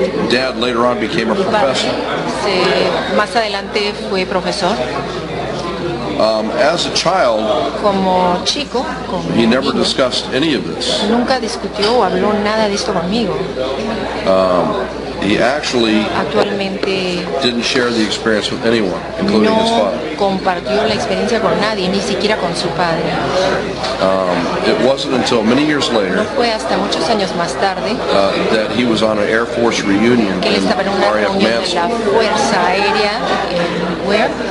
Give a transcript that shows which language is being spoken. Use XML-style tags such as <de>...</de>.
<en>Dad later on became a professor.</en> <es>Más adelante fue profesor.</es> <en>As a child,</en> <es>como chico,</es> <en>he never discussed any of this.</en> <es>Nunca discutió o habló nada de esto conmigo.</es> <en>He actually</en> <es>actualmente</es> <en>didn't share the experience with anyone, including his father.</en> <es>No compartió la experiencia con nadie, ni siquiera con su padre.</es> <en>It wasn't until many years later,</en> <es>no fue hasta muchos años más tarde,</es> <en>that he was on an Air Force reunion</en> <es>que él estaba en una reunión de la Fuerza Aérea</es>